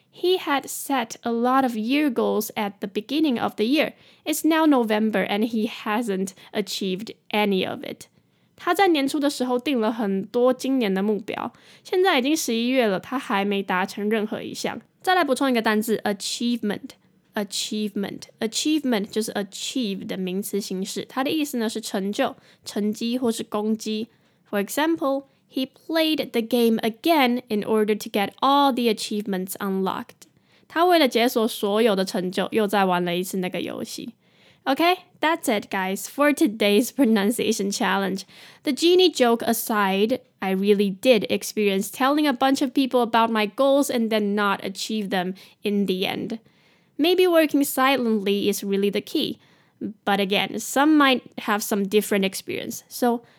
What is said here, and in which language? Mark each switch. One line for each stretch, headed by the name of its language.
English: He had set a lot of year goals at the beginning of the year. It's now November and he hasn't achieved any of it.
Chinese: 他在年初的时候定了很多今年的目标，现在已经11月了，他还没达成任何一项。再来补充一个单字 achievement. Achievement. Achievement 就是 achieve 的名词形式，它的意思呢是成就、成绩或是功绩。
English: For example,He played the game again in order to get all the achievements unlocked.
Chinese: 他为了解锁所有的成就，又再玩了一次那个游戏。
English: Okay, that's it, guys, for today's pronunciation challenge. The genie joke aside, I really did experience telling a bunch of people about my goals and then not achieve them in the end. Maybe working silently is really the key. But again, some might have some different experience, so...